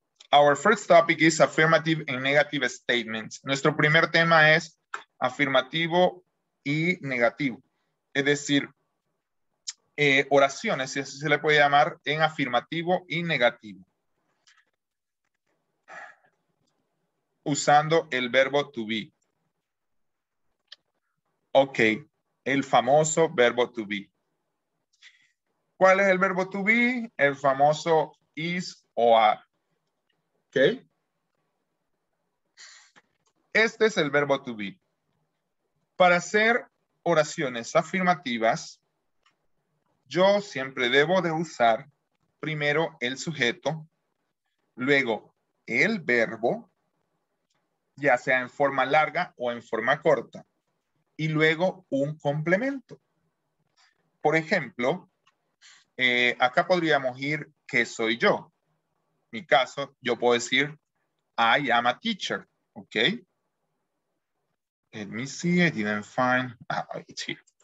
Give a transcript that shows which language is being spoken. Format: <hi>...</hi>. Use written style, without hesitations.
<en>Our first topic is affirmative and negative statements.</en> <es>Nuestro primer tema es afirmativo y negativo. Es decir, oraciones, si así se le puede llamar, en afirmativo y negativo. Usando el verbo to be. Ok, el famoso verbo to be. ¿Cuál es el verbo to be? El famoso is o are. Ok. Este es el verbo to be. Para hacer oraciones afirmativas, yo siempre debo de usar primero el sujeto, luego el verbo, ya sea en forma larga o en forma corta, y luego un complemento. Por ejemplo, acá podríamos ir, ¿qué soy yo? En mi caso, yo puedo decir,</es> <en>I am a teacher,</en> <es>¿ok?</es> <en>Let me see, I didn't find, it's here.</en>